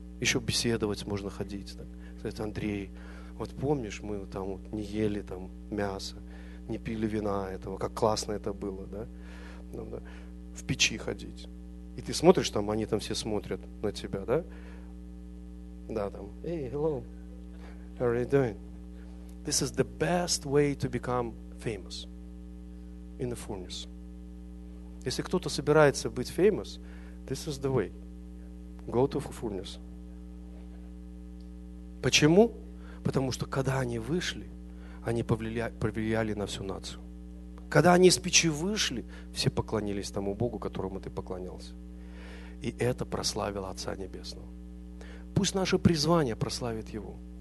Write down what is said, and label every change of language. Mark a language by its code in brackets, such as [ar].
[ru] Еще беседовать можно, ходить. Так. Сказать, Андрей, вот помнишь, мы там вот не ели там мясо, не пили вина этого, как классно это было, да? В печи ходить. И ты смотришь там, они там все смотрят на тебя, да? Да, там. [en] Hey, hello. How are you doing? This is the best way to become famous in the furnace. [ru] Если кто-то собирается быть [en] famous, this is the way. Go to the furnace. [ru] Почему? Потому что когда они вышли, они повлияли на всю нацию. Когда они из печи вышли, все поклонились тому Богу, которому ты поклонялся. И это прославило Отца Небесного. Пусть наше призвание прославит Его.